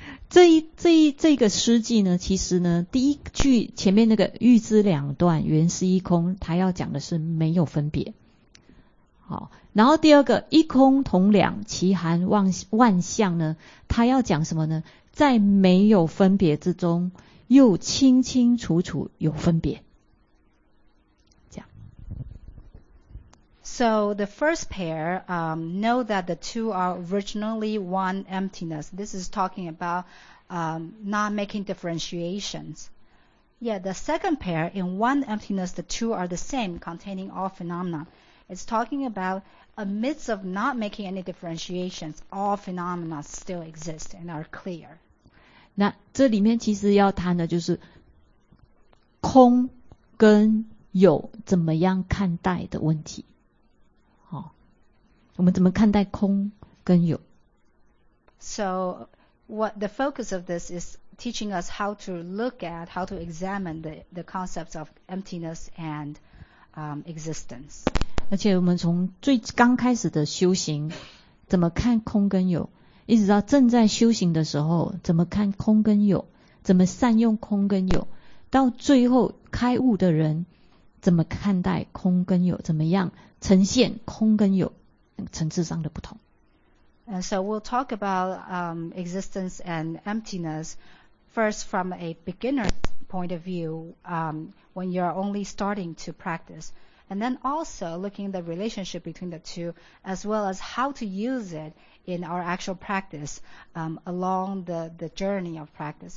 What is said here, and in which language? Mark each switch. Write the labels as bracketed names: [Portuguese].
[Chinese] 这个诗句呢，其实呢，第一句前面那个预知两段，原是一空，它要讲的是没有分别。好，然后第二个一空同两，其含万象呢，它要讲什么呢？在没有分别之中，又清清楚楚有分别。 [English] So the first pair, know that the two are originally one emptiness. This is talking about not making differentiations. Yeah, the second pair, in one emptiness, the two are the same, containing all phenomena. It's talking about, amidst of not making any differentiations, all phenomena still exist and are clear. [Chinese] 那这里面其实要谈的就是空跟有怎么样看待的问题。我们怎么看待空跟有？ [English] So, what the focus of this is teaching us how to look at, how to examine the concepts of emptiness and existence. [Chinese] 而且我们从最刚开始的修行，怎么看空跟有，一直到正在修行的时候，怎么看空跟有，怎么善用空跟有，到最后开悟的人，怎么看待空跟有，怎么样呈现空跟有。层次上的不同。 [English] And so we'll talk about existence and emptiness first from a beginner's point of view when you're only starting to practice. And then also looking at the relationship between the two as well as how to use it in our actual practice along the journey of practice.